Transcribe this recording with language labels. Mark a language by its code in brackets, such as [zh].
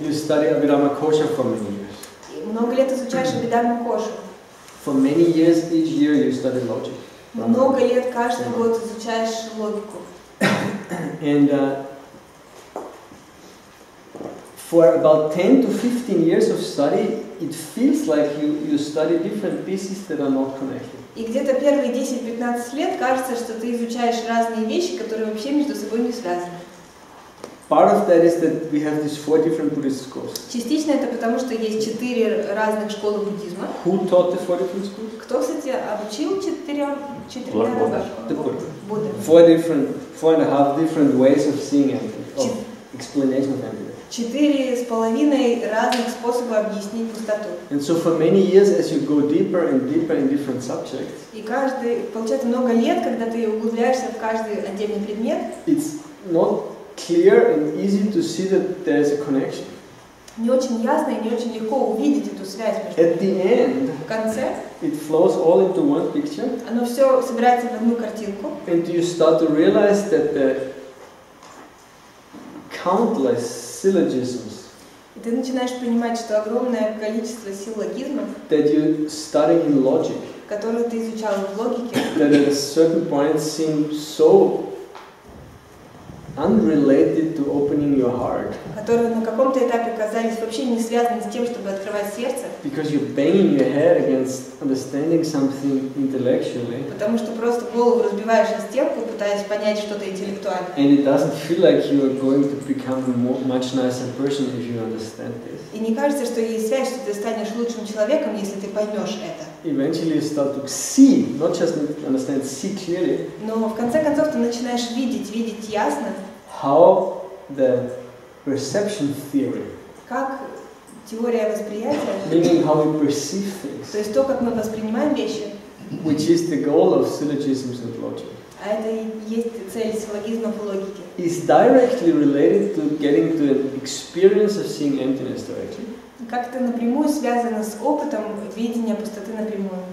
[en] You study Абхидхамма Коша for many years. [ru] И много лет изучаешь Абхидхамму Кошу. [en] For many years each year you study logic. [ru] Много лет каждый год изучаешь логику. [en] And for about 10 to 15 years of study, it feels like you study different pieces that are not connected. [ru] И где-то первые 10-15 лет кажется, что ты изучаешь разные вещи, которые вообще между собой не связаны. [en] Part of that is that we have these four different Buddhist schools. [ru] Частично это потому, что есть четыре разных школы буддизма. [en] Who taught the four different schools? [ru] Кто, кстати, обучил четырем Будды. Будды. [en] Four and a half different ways of seeing emptiness, of explanation of emptiness. [ru] Четыре с половиной разных способа объяснить пустоту. [en] And so for many years, as you go deeper and deeper in different subjects, [ru] и каждый получается много лет, когда ты углубляешься в каждый отдельный предмет, [en] it's not clear and easy to see that there is a connection. [ru] Не очень ясно и не очень легко увидеть эту связь между. [en] At the end, [ru] в конце, [en] it flows all into one picture. [ru] Оно все собирается в одну картинку. [en] And you start to realize that the countless syllogisms. [ru] И ты начинаешь понимать, что огромное количество силлогизмов, [en] that you study in logic, [ru] которые ты изучал в логике, [en] that at a certain point seem so unrelated to opening your heart. heart. [ru] Которые на каком-то этапе казались вообще не связаны с тем, чтобы открывать сердце. [en] Because you're banging your head against understanding something intellectually. [ru] Потому что просто голову разбиваешь о стенку, пытаясь понять что-то интеллектуально. [en] And it doesn't feel like you are going to become a much nicer person if you understand this. [ru] И не кажется, что есть связь, что ты станешь лучшим человеком, если ты поймешь это. [en] Eventually you start to see, not just understand, see clearly. [ru] Но в конце концов ты начинаешь видеть ясно. [en] How the perception theory. [ru] Как теория восприятия. [en] Meaning how we perceive things. [ru] То есть то, как мы воспринимаем вещи. [en] Which is the goal of syllogisms and logic. [ru] А это и есть цель силлогизмов и логики. [en] Is directly related to getting to an experience of seeing emptiness directly. [ru] Как-то напрямую связано с опытом видения пустоты напрямую.